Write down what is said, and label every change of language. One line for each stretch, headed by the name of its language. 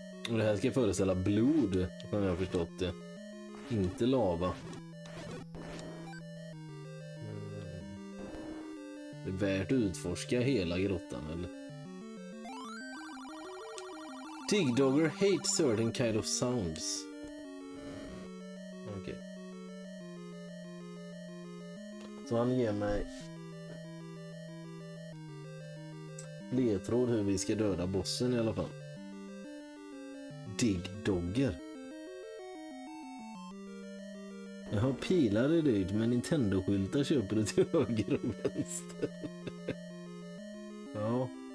Swedish: Och det här ska föreställa blod, om jag har förstått det. Inte lava. Det är värt att utforska hela grottan, eller?
English: Digdogger hates certain kind of sounds.
Swedish: Så han ger mig ledtråd hur vi ska döda bossen i alla fall. Digdogger. Jag har pilar i dyrt, men Nintendo-skyltar köper du till höger och vänster. Ja.